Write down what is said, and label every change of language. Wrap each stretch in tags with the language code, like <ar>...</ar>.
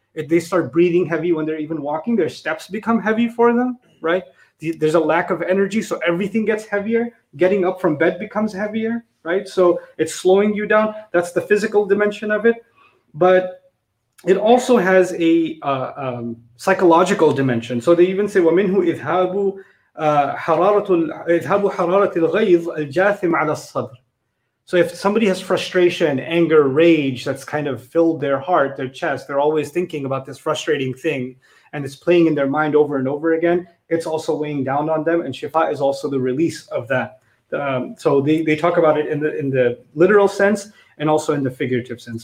<en>If they start breathing heavy when they're even walking, their steps become heavy for them, right? There's a lack of energy, so everything gets heavier. Getting up from bed becomes heavier, right? So it's slowing you down. That's the physical dimension of it. But it also has a psychological dimension. So they even say,</en> <ar>وَمِنْهُ إِذْهَابُ حَرَارَةُ الْغَيْظِ الْجَاثِمْ عَلَى الصَّدْرِ.</ar> <en>So if somebody has frustration, anger, rage, that's kind of filled their heart, their chest, they're always thinking about this frustrating thing, and it's playing in their mind over and over again, it's also weighing down on them, and shifa is also the release of that. So they talk about it in the literal sense and also in the figurative sense.</en>